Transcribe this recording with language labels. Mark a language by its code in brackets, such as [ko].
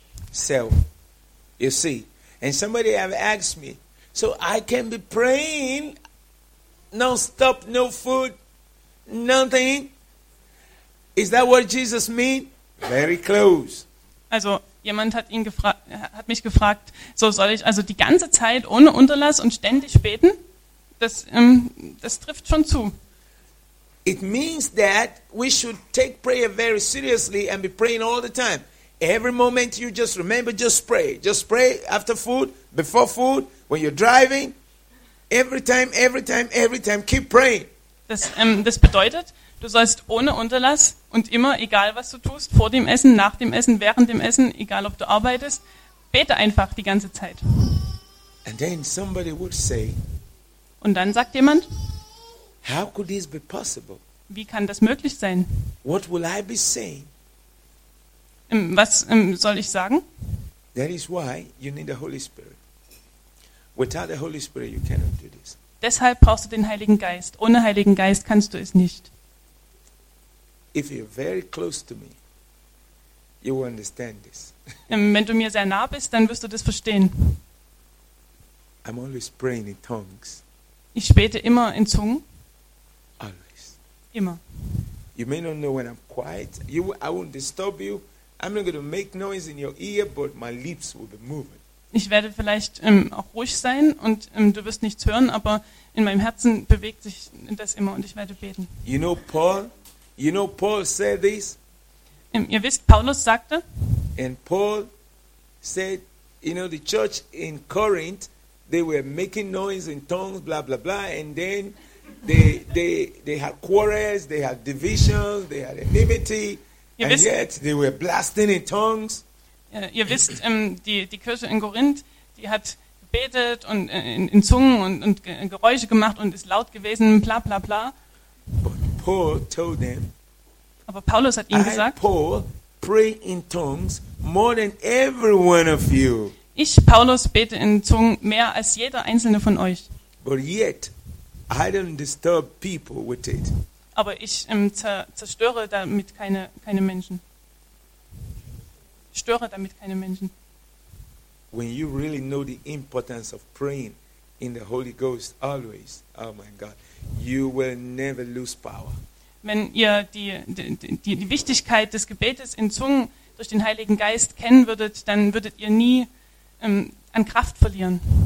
[en] So, you see, and somebody have asked me, so I can be praying non-stop, no food, nothing. Is that what Jesus mean? Very close. [de] Also, jemand hat mich gefragt, so soll ich also die ganze Zeit ohne Unterlass und ständig beten? Das trifft schon zu. [en] It means that we should take prayer very seriously and be praying all the time. Every moment you just remember, just pray. Just pray after food, before food, when you're driving. Every time, every time, every time, keep praying. [de] Das bedeutet, du sollst ohne Unterlass und immer, egal was du tust, vor dem Essen, nach dem Essen, während dem Essen, egal ob du arbeitest, bete einfach die ganze Zeit. [en] And then somebody would say, [de] und dann sagt jemand, [en] how could this be possible? [de] Wie kann das möglich sein? [en] What will I be saying? [de] Was soll ich sagen? [en] That is why you need the Holy Spirit. Without the Holy Spirit, you cannot do this. [de] Deshalb brauchst du den Heiligen Geist. Ohne Heiligen Geist kannst du es nicht. [en] If you're very close to me, you will understand this. [de] Wenn du mir sehr nah bist, dann wirst du das verstehen. [en] I'm always praying in tongues. [de] Ich bete immer in Zungen. [en] Always. [de] Immer. [en] You may not know when I'm quiet. I won't disturb you. I'm not going to make noise in your ear, but my lips will be moving. [de] Ich werde vielleicht auch ruhig sein und du wirst nichts hören, aber in meinem Herzen bewegt sich das immer und ich werde beten. [en] You know Paul? You know Paul said this? [de] Ihr wisst, Paulus sagte. [en] And Paul said, you know, the church in Corinth, they were making noise in tongues, blah blah blah, and then they had quarrels, they had divisions, they had enmity, and [de] wisst, [en] yet they were blasting in tongues. [de] Ihr wisst, die Kirche in Korinth, die hat gebetet und in Zungen und Geräusche gemacht und ist laut gewesen, bla bla bla. [en] But Paul told them, [de] aber Paulus hat ihnen gesagt, [en] Paul, pray in tongues more than every one of you. [de] Ich, Paulus, bete in Zungen mehr als jeder einzelne von euch. [en] But yet, I don't disturb people with it. [de] Aber ich zerstöre damit keine Menschen. Störe damit keine Menschen. [en] When you really know the importance of praying in the Holy Ghost always, oh my God, you will never lose power. [de] Wenn ihr die Wichtigkeit des Gebetes in Zungen durch den Heiligen Geist kennen würdet, dann würdet ihr nie an Kraft verlieren.